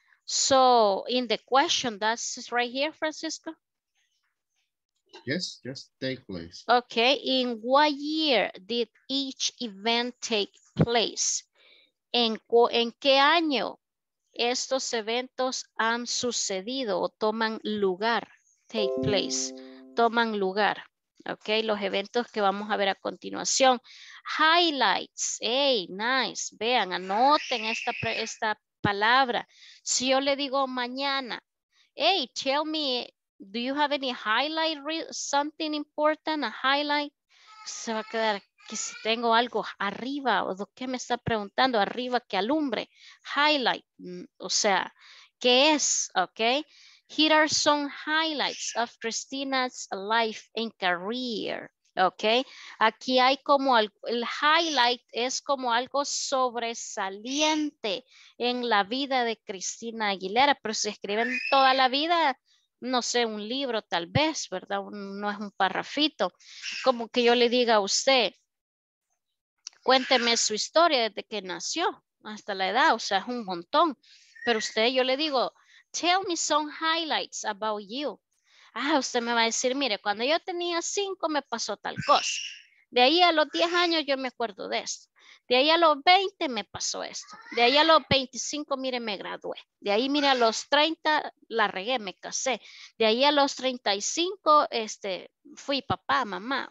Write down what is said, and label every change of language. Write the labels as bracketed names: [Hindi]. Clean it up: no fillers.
[English] So, in the question, that's right here, Francisco? Yes, just take place. Okay, in what year did each event take place? [Spanish] ¿En qué año estos eventos han sucedido o toman lugar? [English] Take place. [Spanish] Toman lugar, ok, los eventos que vamos a ver a continuación. Highlights, [English] hey, nice, [Spanish] vean, anoten esta palabra. Si yo le digo mañana, [English] hey, tell me, do you have any highlight, something important, a highlight? [Spanish] Se va a quedar que si tengo algo arriba, o lo que me está preguntando, arriba que alumbre, highlight, o sea, ¿qué es? Ok. [English] Here are some highlights of Christina's life and career. Okay. [Spanish] Aquí hay como el highlight es como algo sobresaliente en la vida de Christina Aguilera. Pero si escriben toda la vida, no sé, un libro tal vez, ¿verdad? No es un parrafito. Como que yo le diga a usted, cuénteme su historia desde que nació hasta la edad, o sea, es un montón. Pero usted, yo le digo, [English] tell me some highlights about you. [Spanish] Ah, usted me va a decir, mire, cuando yo tenía 5 me pasó tal cosa. De ahí a los 10 años yo me acuerdo de esto. De ahí a los 20 me pasó esto. De ahí a los 25, mire, me gradué. De ahí, mire, a los 30 la regué, me casé. De ahí a los 35, fui papá, mamá.